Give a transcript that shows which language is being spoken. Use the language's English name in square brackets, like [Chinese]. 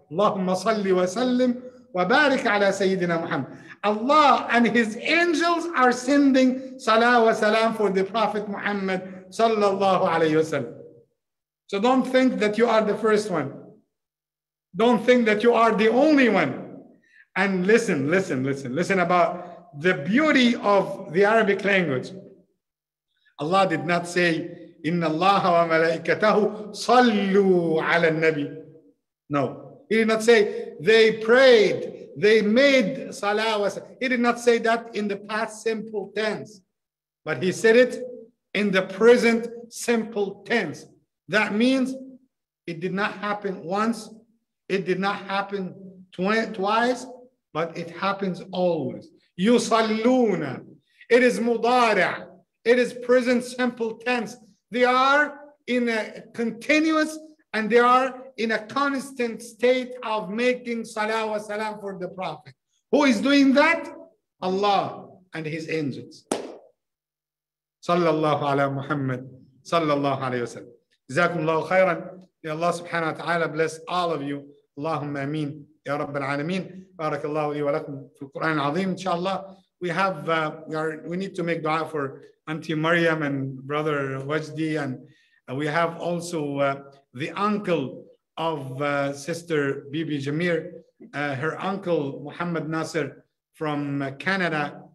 [Arabic] اللهم صلِّ وسلِّم وبارك على سيدنا محمد. [English] Allah and his angels are sending salah wa salam for the Prophet Muhammad sallallahu alayhi wa sallam. So don't think that you are the first one. Don't think that you are the only one. And listen about the beauty of the Arabic language. Allah did not say, [Arabic] إِنَّ اللَّهَ وَمَلَائِكَتَهُ صَلُّوا عَلَى النَّبِيِّ. [English] No. He did not say, they prayed, they made salah. He did not say that in the past simple tense. But he said it in the present simple tense. That means it did not happen once, it did not happen twice, but it happens always. Yusalluna, it is mudari', it is present simple tense. They are in a continuous and they are in a constant state of making salah wa salam for the Prophet. Who is doing that? Allah and his angels. [Arabic] Sallallahu ala Muhammad, sallallahu alayhi wa sallam. جزاكم الله خيرا. يا الله سبحانه وتعالى [English] bless all of you. [Arabic] اللهم امين يا رب العالمين. بارك الله لي ولكم في القران العظيم ان شاء الله. [English] We need to make dua for Auntie Maryam and brother Wajdi, and we have also the uncle of sister Bibi Jameer, her uncle Muhammad Nasser from Canada.